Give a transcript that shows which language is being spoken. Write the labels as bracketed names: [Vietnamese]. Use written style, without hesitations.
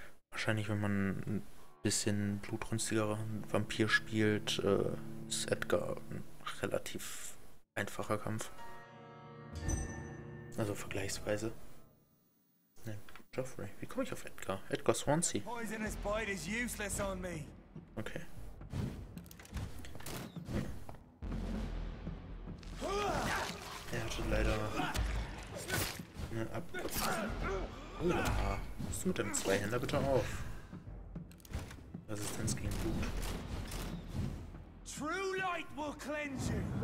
[German] Wahrscheinlich, wenn man ein bisschen blutrünstigerer Vampir spielt, ist Edgar ein relativ einfacher Kampf. Also vergleichsweise. Nee, Geoffrey, wie komme ich auf Edgar? Edgar Swansea. [English] Poisonous bite is useless on me. Okay. [German] Er hatte leider eine Was ist mit dem Zweihänder bitte auf? Resistenz gegen Blut. [English] True light will cleanse you.